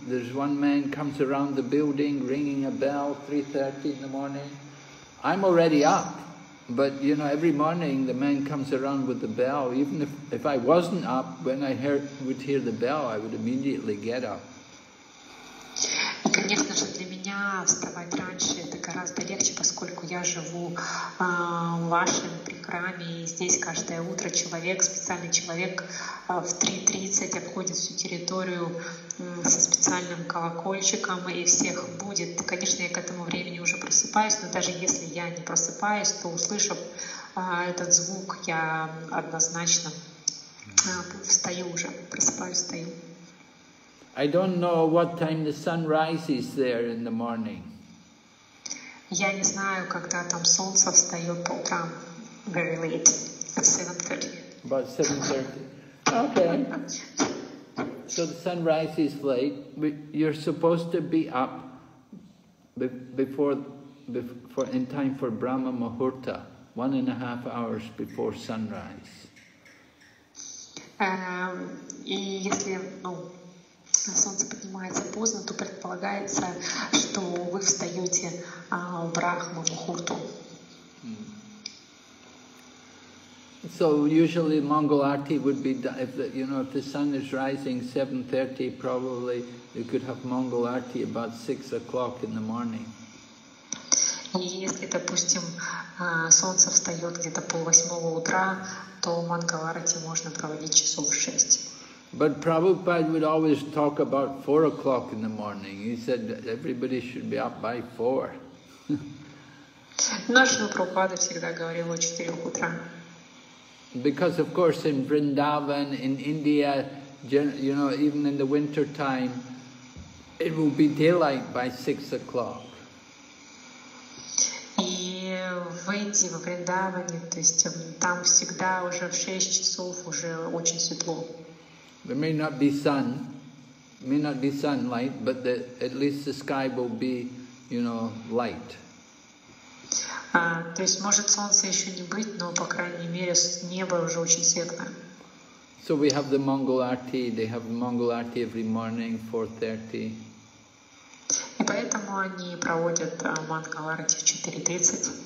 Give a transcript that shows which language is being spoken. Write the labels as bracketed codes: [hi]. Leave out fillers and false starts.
[en] There's one man comes around the building ringing a bell 3:30 in the morning. I'm already up, but you know, every morning the man comes around with the bell. Even if I wasn't up, when I would hear the bell, I would immediately get up. [ru] Конечно же, для меня вставать раньше это гораздо легче, поскольку я живу в вашем прихраме, и здесь каждое утро человек, специальный человек в 3:30 обходит всю территорию со специальным колокольчиком и всех будет. Конечно, я к этому времени уже просыпаюсь, но даже если я не просыпаюсь, то услышав этот звук, я однозначно встаю уже, просыпаюсь, встаю. [en] I don't know what time the sun rises there in the morning. [ru] Я не знаю, когда там солнце встает по утрам. [en] Very late. At 7:30. About 7:30. Okay. So the sun rises late. You're supposed to be up before in time for Brahma Muhurta, 1.5 hours before sunrise. [ru] Солнце поднимается поздно, то предполагается, что вы встаете в Брахма-мухурту. [en] So usually Mangal Aarti would be, if the sun is rising 7:30, probably you could have Mangal Aarti about 6 o'clock in the morning. [ru] И если, допустим, солнце встает где-то 7:30 утра, то Мангал Аарти можно проводить часов в 6. [en] But Prabhupada would always talk about 4 o'clock in the morning. He said everybody should be up by 4. [ru] Наш Прабхупада всегда говорил о 4 утра. [en] Because of course in Vrindavan, in India, even in the winter time, it will be daylight by 6 o'clock. [ru] И в Индии, во Вриндаване, то есть там всегда уже в 6 часов уже очень светло. [en] There may not be sunlight, but at least the sky will be, light. [ru] То есть может солнце еще не быть, но по крайней мере небо уже очень светлое. [en] So we have the Mangal Aarti. They have Mangal Aarti every morning, 4:30. [ru] И поэтому они проводят Mangal Aarti в 4:30.